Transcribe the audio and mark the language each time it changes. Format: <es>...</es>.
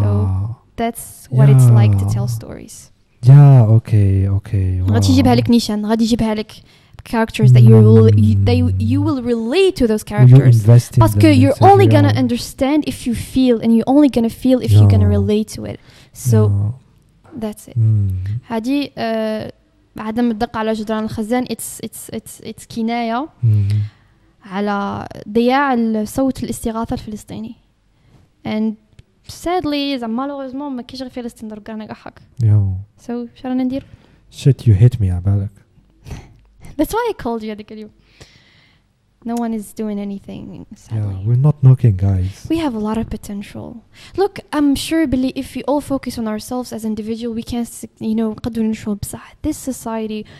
<en>so that's what yeah. it's like to tell stories yeah okay wow.</en> <ar>غادي يجيبها لك نيشان غادي يجيبها لك</ar> <en>characters that you will relate to those characters because you're only yeah. gonna understand if you feel and you're only gonna feel if yeah. you're gonna relate to it so yeah. that's it</en> <ar>هادي عدم الدق على جدران الخزان it's كناية على ضياع صوت الاستغاثة الفلسطيني</ar> <en>and sadly</en> <ar>زعما</ar> <fr>malheureusement</fr> <ar>ما كاينش غير فلسطين درك انا قحك so شرانا ندير</ar> <en>shit you hit me</en> <ar>عبالك</ar> <en>That's why I called you. I tell you, no one is doing anything. Sadly. Yeah, we're not knocking, guys. We have a lot of potential. Look, I'm sure, Billy, if we all focus on ourselves as individual, we can't, you know, this society.</en>